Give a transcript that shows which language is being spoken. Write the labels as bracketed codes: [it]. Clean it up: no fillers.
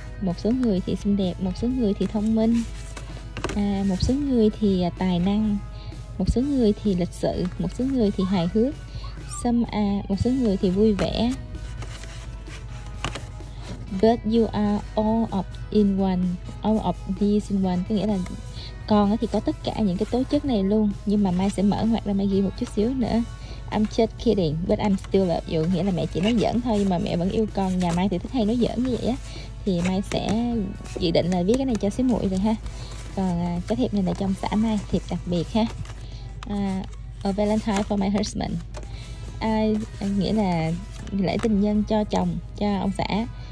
[vi] Một số người thì xinh đẹp, một số người thì thông minh, một số người thì tài năng, một số người thì lịch sự, một số người thì hài hước. Một số người thì vui vẻ. [en] But you are all of in one, all of these in one. [vi] Có nghĩa là con thì có tất cả những cái tố chất này luôn. Nhưng mà Mai sẽ mở ngoặc ra Mai ghi một chút xíu nữa. [en] I'm just kidding, but I'm still love you. [vi] Nghĩa là mẹ chỉ nói giỡn thôi, nhưng mà mẹ vẫn yêu con. Nhà Mai thì thích hay nói giỡn như vậy á. Thì Mai sẽ dự định là viết cái này cho xíu muội rồi ha. Còn cái thiệp này là trong xã Mai, thiệp đặc biệt ha. [en] A Valentine for my husband. [vi] Nghĩa là lễ tình nhân cho chồng, cho ông xã.